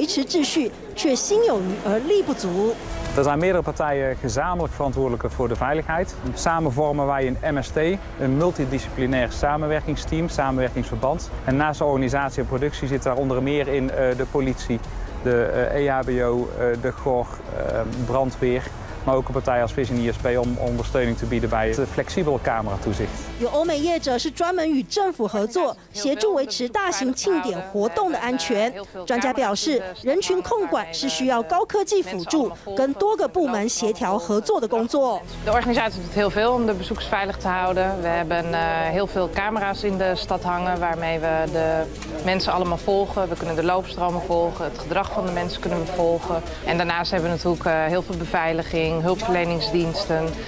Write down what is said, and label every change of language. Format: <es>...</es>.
<zh>梨泰院的万圣节并非政府举办的大型活动，是当地店家各自举办派对。尽管有店家发现情况不对，但面对如此庞大的人群，想要协助疏散或维持秩序，却心有余而力不足。</zh> <nl>Dus wij meerdere partijen gezamenlijk verantwoordelijk voor de veiligheid. Samen vormen wij een MST, een multidisciplinair samenwerkingsteam, samenwerkingsverband. En naast de organisatie en productie zit daar onder meer in de politie. De EHBO, de GOR, brandweer, maar ook een partij als Vision ISP om ondersteuning te bieden bij het flexibele cameratoezicht.</nl> <zh>有欧美业者是专门与政府合作，协助维持大型庆典活动的安全。专家表示，人群控管是需要高科技辅助跟多个部门协调合作的工作。</zh> <nl>De organisatie doet heel veel om de bezoekers veilig te houden. We hebben heel veel camera's in de stad hangen waarmee we de mensen allemaal volgen. We kunnen de loopstromen volgen, het gedrag van de mensen kunnen we volgen. En daarnaast hebben we natuurlijk heel veel beveiliging, hulpverleningsdiensten.</nl>